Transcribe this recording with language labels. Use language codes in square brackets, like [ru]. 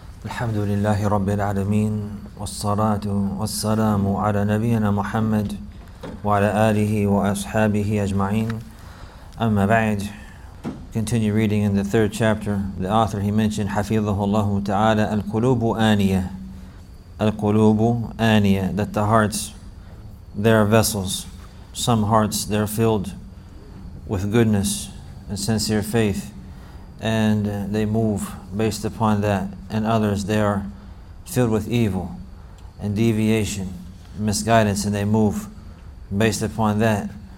[ar] الحمد لله رب العالمين والصلاة والسلام على نبينا محمد وعلى آله وأصحابه أجمعين أما بعد. [en] Continue reading in the third chapter. The author, he mentioned, [ar] حفظه الله تعالى القلوب آنية. القلوب آنية, [en] that the hearts, they are vessels. Some hearts, they are filled with goodness and sincere faith, and they move based upon that. And others, they are filled with evil and deviation, misguidance, and they move based upon that.